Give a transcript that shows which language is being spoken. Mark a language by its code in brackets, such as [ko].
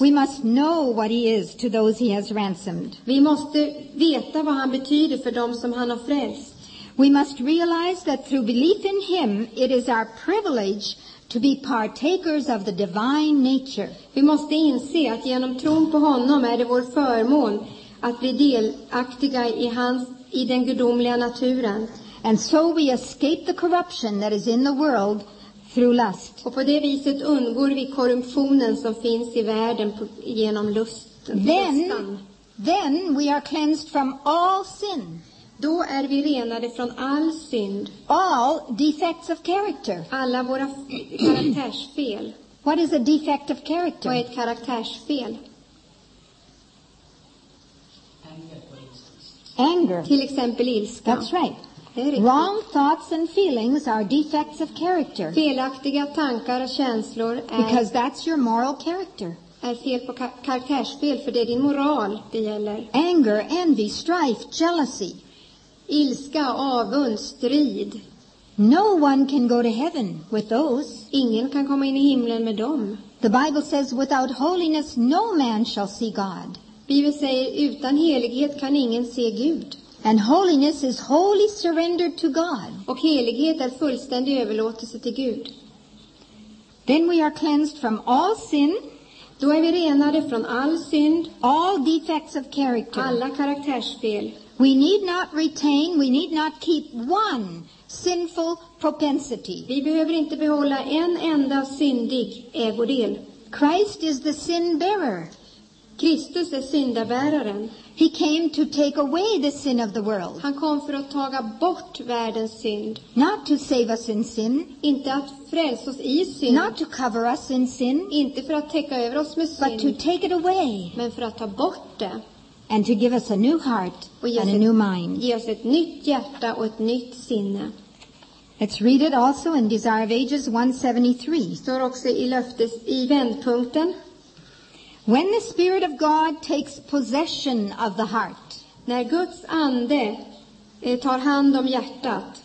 [en] We must know what he is to those he has ransomed. [sv] Vi måste veta vad han betyder för dem som han har frälst. [en] We must realize that through belief in him it is our privilege to be partakers of the divine nature. [sv] Vi måste inse att genom tron på honom är det vår förmån att bli delaktiga i hans, i den gudomliga naturen. [en] And so we escape the corruption that is in the world. [sv] Och på det viset undgår vi korruptionen som finns i världen genom lust. [en] Then we are cleansed from all sin. [sv] Då är vi renade från all synd. [en] All defects of character. [sv] Alla våra karaktärsfel. [en] What is a defect of character? [sv] Vad är ett karaktärsfel? [en] Anger. [sv] Till exempel ilska. [en] That's right. Wrong thoughts and feelings are defects of character. [sv] Felaktiga tankar och känslor är, [en] because that's your moral character. [sv] Är fel på karaktärsfel, för det är din moral det gäller. [en] Anger, envy, strife, jealousy. [sv] Ilska, avund, strid. [en] No one can go to heaven with those. [sv] Ingen kan komma in i himlen med dem. [en] The Bible says without holiness no man shall see God. [sv] Bibeln säger utan helighet kan ingen se Gud. [en] And holiness is wholly surrendered to God. [sv] Och helighet är fullständig överlåtelse till Gud. [en] Then we are cleansed from all sin. [sv] Då är vi renade från all synd. [en] All defects of character. [sv] Alla karaktärsfel. [en] We need not retain, we need not keep one sinful propensity. [sv] Vi behöver inte behålla en enda syndig ägodel. [en] Christ is the sin bearer. [sv] Kristus är syndabäraren. [en] He came to take away the sin of the world. [sv] Han kom för att ta bort världens synd. [en] Not to save us in sin. [sv] Inte att frälsa oss i synd. [en] Not to cover us in sin. [sv] Inte för att täcka över oss med synd. [en] But to take it away. [sv] Men för att ta bort det. [en] And to give us a new heart and a new mind. [sv] Ge oss ett nytt hjärta och ett nytt sinne. [en] Let's read it also in Desire of Ages 173. [sv] Står också i löftes i vändpunkten. [en] When the Spirit of God takes possession of the heart. [sv] När Guds ande tar hand om hjärtat.